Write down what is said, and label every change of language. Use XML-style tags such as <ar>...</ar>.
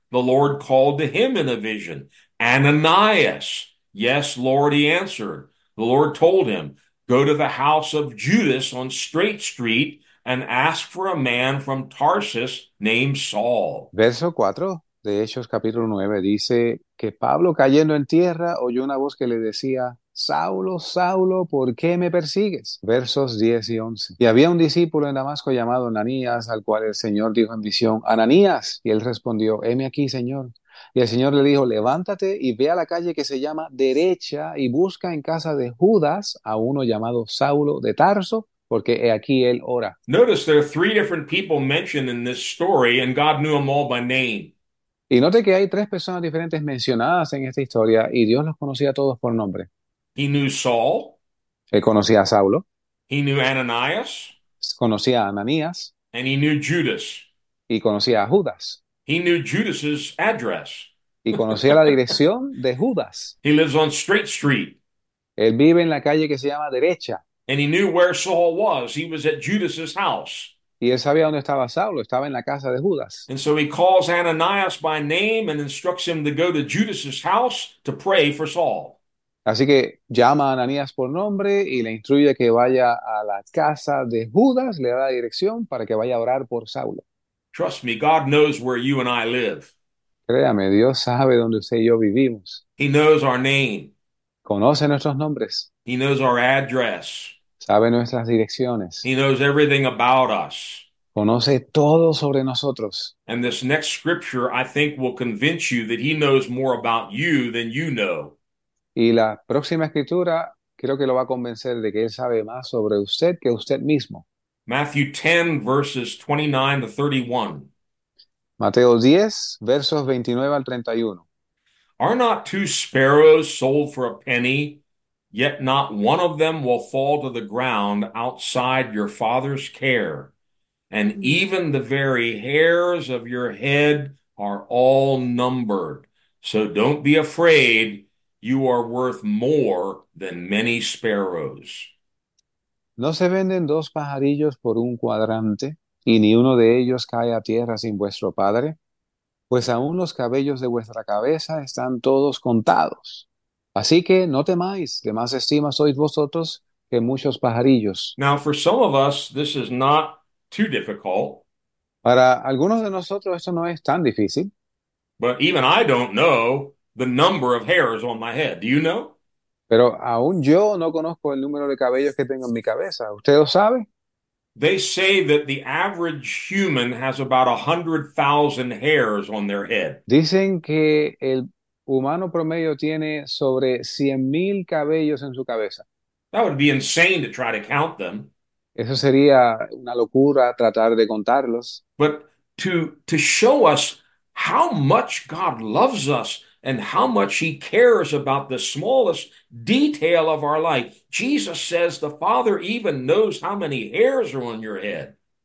<en>The Lord called to him in a vision. Ananias. Yes, Lord, he answered. The Lord told him, go to the house of Judas on Straight Street and ask for a man from Tarsus named Saul.</en> <es>Verso 4 de Hechos capítulo 9 dice que Pablo cayendo en tierra oyó una voz que le decía: Saulo, Saulo, ¿por qué me persigues? Versos 10 y 11. Y había un discípulo en Damasco llamado Ananías, al cual el Señor dijo en visión: Ananías. Y él respondió: heme aquí, Señor. Y el Señor le dijo: levántate y ve a la calle que se llama Derecha y busca en casa de Judas a uno llamado Saulo de Tarso, porque he aquí él ora.</es> <en>Notice there are three different people mentioned in this story, and God knew them all by name.</en> <es>Y note que hay tres personas diferentes mencionadas en esta historia y Dios los conocía a todos por nombre.</es> <en>He knew Saul,</en> <es>Él conocía a Saulo,</es> <en>he knew Ananias,</en> <es>conocía a Ananías</es> <en>and he knew Judas.</en> <es>y conocía a Judas.</es> <en>He knew Judas's address.</en> <es>Y conocía la dirección de Judas.</es> <en>He lives on Straight Street.</en> <es>Él vive en la calle que se llama Derecha.</es> <en>And he knew where Saul was. He was at Judas's house.</en> <es>Y él sabía dónde estaba Saulo, estaba en la casa de Judas.</es> <en>And so he calls Ananias by name and instructs him to go to Judas's house to pray for Saul.</en> <es>Así que llama a Ananías por nombre y le instruye que vaya a la casa de Judas, le da la dirección para que vaya a orar por Saulo.</es> <en>Trust me, God knows where you and I live.</en> <es>Créame, Dios sabe dónde usted y yo vivimos.</es> <en>He knows our name.</en> <es>Conoce nuestros nombres.</es> <en>He knows our address.</en> <es>Sabe nuestras direcciones.</es> <en>He knows everything about us.</en> <es>Conoce todo sobre nosotros.</es> <en>And this next scripture, I think, will convince you that he knows more about you than you know.</en> <es>Y la próxima escritura creo que lo va a convencer de que él sabe más sobre usted que usted mismo.</es> <en>Matthew 10, verses 29 to 31.</en> <es>Mateo 10, versos 29 al 31.</es> <en>Are not two sparrows sold for a penny? Yet not one of them will fall to the ground outside your father's care, and even the very hairs of your head are all numbered. So don't be afraid, you are worth more than many sparrows.</en> <es>No se venden dos pajarillos por un cuadrante, y ni uno de ellos cae a tierra sin vuestro padre, pues aún los cabellos de vuestra cabeza están todos contados. Así que no temáis, de más estima sois vosotros que muchos pajarillos.</es> <en>Now, for some of us, this is not too difficult.</en> <es>Para algunos de nosotros esto no es tan difícil.</es> <en>But even I don't know the number of hairs on my head. Do you know?</en> <es>Pero aún yo no conozco el número de cabellos que tengo en mi cabeza. ¿Usted lo sabe?</es> <en>They say that the average human has about 100,000 hairs on their head.</en> <es>Dicen que el humano promedio tiene sobre 100.000 cabellos en su cabeza.</es> <en>That would be insane to try to count them.</en> <es>Eso sería una locura tratar de contarlos.</es> <en>But to show us how much God loves us and how much he cares about the smallest detail of our life. Jesus says the Father even knows how many hairs are on your head.</en>